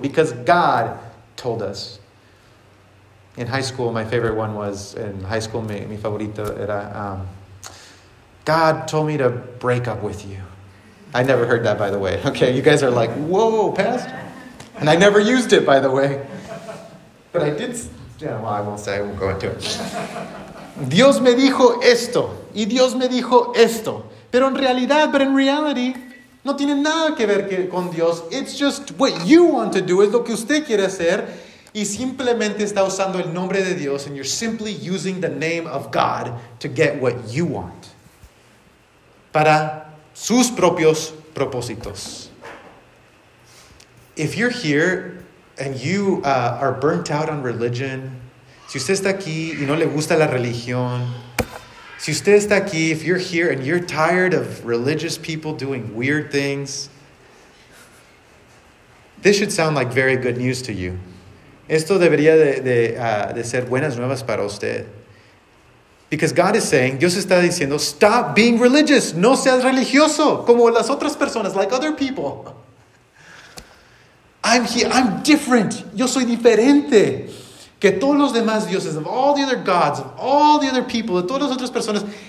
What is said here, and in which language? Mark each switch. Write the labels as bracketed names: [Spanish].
[English] Because God told us. In high school, my favorite one was, in high school, [Spanish] mi favorito era, [English] God told me to break up with you. I never heard that, by the way. Okay, you guys are like, whoa, pastor. And I never used it, by the way. But I did, yeah, well, I won't say, I won't go into it. [Spanish] Dios me dijo esto, y Dios me dijo esto. Pero en realidad, [English] but in reality, [Spanish] no tiene nada que ver con Dios. It's just what you want to do, es lo que usted quiere hacer. Y simplemente está usando el nombre de Dios, and you're simply using the name of God to get what you want. Para sus propios propósitos. [English] If you're here and you are burnt out on religion, [Spanish] si usted está aquí y no le gusta la religión, si usted está aquí, [English] if you're here and you're tired of religious people doing weird things, this should sound like very good news to you. [Spanish] Esto debería de ser buenas nuevas para usted. [English] Because God is saying, [Spanish] Dios está diciendo, [English] stop being religious. [Spanish] No seas religioso como las otras personas, [English] like other people. I'm different. [Spanish] Yo soy diferente que todos los demás dioses, [English] of all the other gods, of all the other people, [Spanish] de todas las otras personas.